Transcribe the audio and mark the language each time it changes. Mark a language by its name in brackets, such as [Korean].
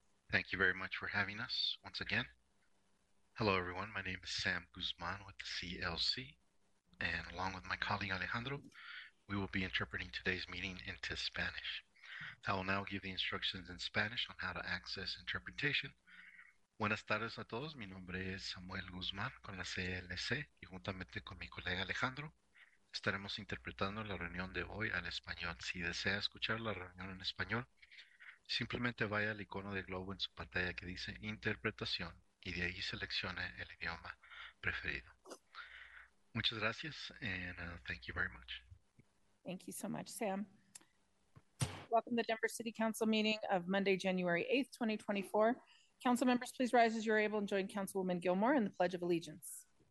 [English] Thank you very much for having us once again. Hello, everyone. My name is Sam Guzman with the CLC, and along with my colleague Alejandro, we will be interpreting today's meeting into Spanish. I will now give the instructions in Spanish on how to access interpretation. [Spanish] Buenas tardes a todos. Mi nombre es Samuel Guzmán con la CLC y juntamente con mi colega Alejandro estaremos interpretando la reunión de hoy al español. Si desea escuchar la reunión en español, simplemente vaya al icono de globo en su pantalla que dice Interpretación y de ahí seleccione el idioma preferido. Muchas gracias [English] and thank you very much. Thank you so much, Sam. Welcome to the Denver City Council meeting of Monday, January 8th, 2024. Council members, please rise as you are able and join Councilwoman Gilmore in the Pledge of Allegiance.